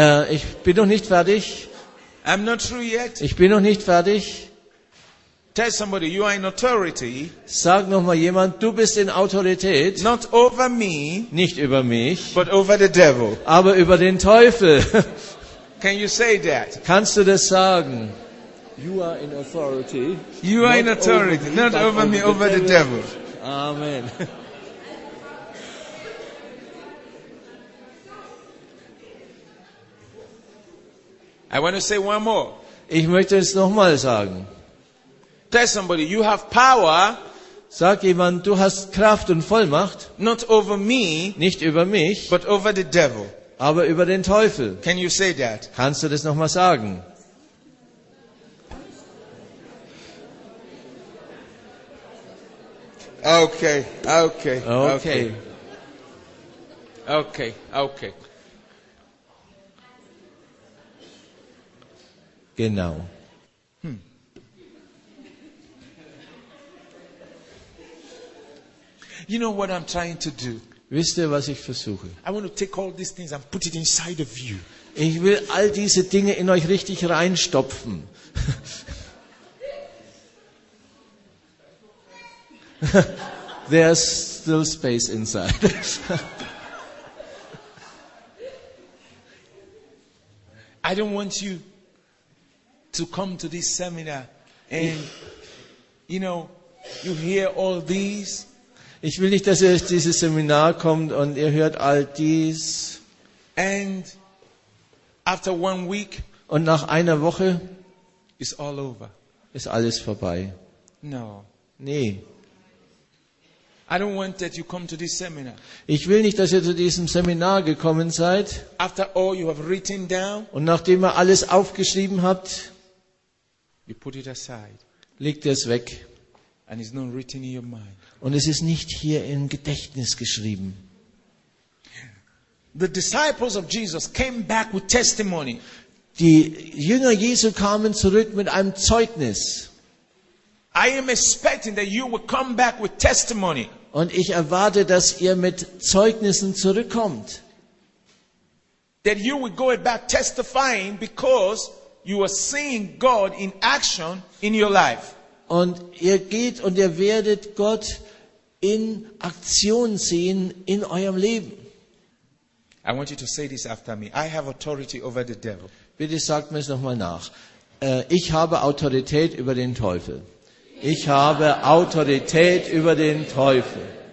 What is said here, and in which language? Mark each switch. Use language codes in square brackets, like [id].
[de] Ich bin noch nicht fertig. [en] I'm not true yet. [de] Ich bin noch nicht fertig. [en] Tell somebody, you are in authority. [de] Sag noch mal jemand, du bist in Autorität. [en] Not over me. [de] Nicht über mich. [en] But over the devil. [de] Aber über den Teufel. [en] Can you say that? [de] Kannst du das sagen? [en] You are in authority. You are in authority. Over me, not over me, over the devil. Amen. I want to say one more. [de] Ich möchte es noch mal sagen. [en] Tell somebody, you have power. [de] Sag jemand, du hast Kraft und Vollmacht. [en] Not over me. [de] Nicht über mich. [en] But over the devil. [de] Aber über den Teufel. [en] Can you say that? [de] Kannst du das noch mal sagen? [en] Okay, okay, okay, okay, okay. [de] Genau. [en] You know what I'm trying to do? [de] Wisst ihr, was ich versuche? [en] I want to take all these things and put it inside of you. [de] Ich will all diese Dinge in euch richtig reinstopfen. [en] There's still space inside. I don't want you to come to this seminar and, you know, you hear all these. [de] Ich will nicht, dass ihr auf dieses Seminar kommt und ihr hört all dies. [en] And after 1 week, [de] und nach einer Woche, [en] it's all over. [de] Ist alles vorbei. [en] No. [de] Nee. [en] I don't want that you come to this seminar. [de] Ich will nicht, dass ihr zu diesem Seminar gekommen seid. [en] After all you have written down, [de] und nachdem ihr alles aufgeschrieben habt, [en] you put it aside, [de] legt ihr es weg. [en] And it's not written in your mind. [de] Und es ist nicht hier im Gedächtnis geschrieben. [en] The disciples of Jesus came back with testimony. [de] Die Jünger Jesu kamen zurück mit einem Zeugnis. [en] I am expecting that you will come back with testimony. [de] Und ich erwarte, dass ihr mit Zeugnissen zurückkommt. [en] That you will go back testifying because you are seeing God in action in your life. [de] Und ihr geht und ihr werdet Gott in Aktion sehen in eurem Leben. [en] I want you to say this after me. I have authority over the devil. [de] Bitte sagt mir es nochmal nach. Ich habe Autorität über den Teufel. Ich habe Autorität über den Teufel.